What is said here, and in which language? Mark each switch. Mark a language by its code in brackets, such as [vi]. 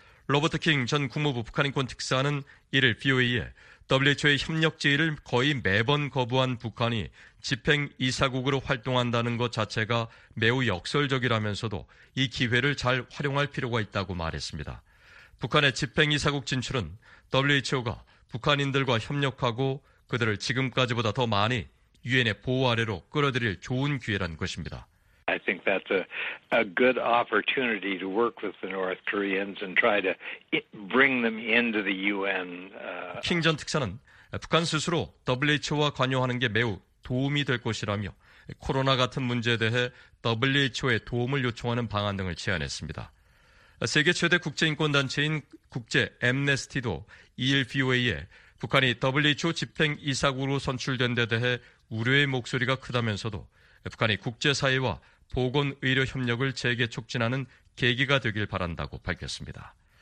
[ko] 로버트 킹 전 국무부 북한인권특사는 이를 VOA에 WHO의 협력 지위를 거의 매번 거부한 북한이 집행이사국으로 활동한다는 것 자체가 매우 역설적이라면서도 이 기회를 잘 활용할 필요가 있다고 말했습니다. 북한의 집행이사국 진출은 WHO가 북한인들과 협력하고 그들을 지금까지보다 더 많이 유엔의 보호 아래로 끌어들일 좋은 기회란 것입니다. [en] I think that's a good opportunity to work with the North Koreans and try to bring them into the UN. [ko] 킹 전 특사는 북한 스스로 WHO와 관여하는 게 매우 도움이 될 것이라며 코로나 같은 문제에 대해 WHO의 도움을 요청하는 방안 등을 제안했습니다. 세계 최대 국제인권단체인 국제 앰네스티도 EL VOA에 북한이 WHO 집행이사국으로 선출된 데 대해 우려의 목소리가 크다면서도 북한이 국제사회와 보건의료협력을 재개 촉진하는 계기가 되길 바란다고 밝혔습니다.